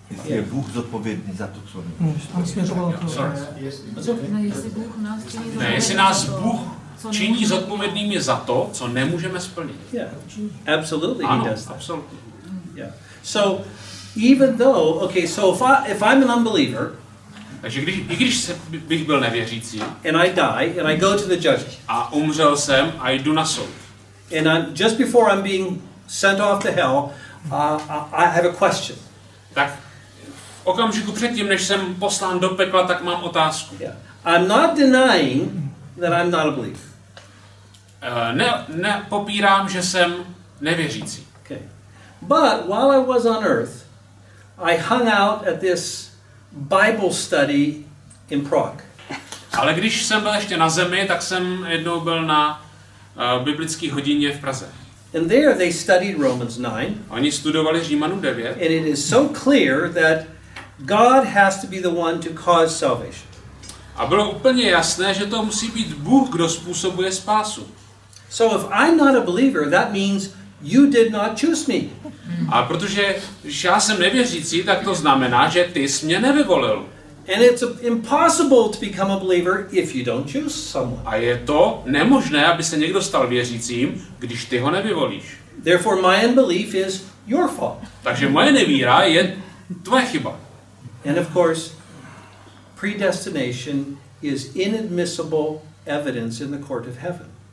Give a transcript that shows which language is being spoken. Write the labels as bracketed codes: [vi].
[cs] Je Bůh zodpovědný za to, co nemůžeš splnit? Ne, jestli nás Bůh činí zodpovědnými za to, co nemůžeme splnit. [en] Yeah, absolutely. [cs] Ano, [en] he does that. Absolutely. Yeah. So even though, okay, so if I'm an unbeliever, [cs] takže i když bych byl nevěřící, [en] and I die and I go to the judgment, [cs] a umřel jsem a jdu na soud, [en] and I'm, just before I'm being sent off to hell, I have a question. [cs] Tak v okamžiku předtím, než jsem poslán do pekla, tak mám otázku. [en] Yeah. I'm not denying that I'm not a believer. [cs] Nepopírám, že jsem nevěřící. [en] But while I was on earth, I hung out at this Bible study in Prague. [cs] Ale když jsem byl ještě na zemi, tak jsem jednou byl na biblické hodině v Praze. [en] And there they studied Romans 9. [cs] Oni studovali Římanům 9. [en] And it is so clear that God has to be the one to cause salvation. [cs] A bylo úplně jasné, že to musí být Bůh, kdo způsobuje spásu. [en] So if I'm not a believer, that means you did not choose me. [cs] A protože já jsem nevěřící, tak to znamená, že ty jsi mě nevyvolil. [en] And it's impossible to become a believer if you don't choose someone. [cs] A je to nemožné, aby se někdo stal věřícím, když ty ho nevyvolíš. [en] Therefore my unbelief is your fault. [cs] Takže moje nevíra je tvoje chyba. [en] And of course predestination is inadmissible evidence in the court of heaven.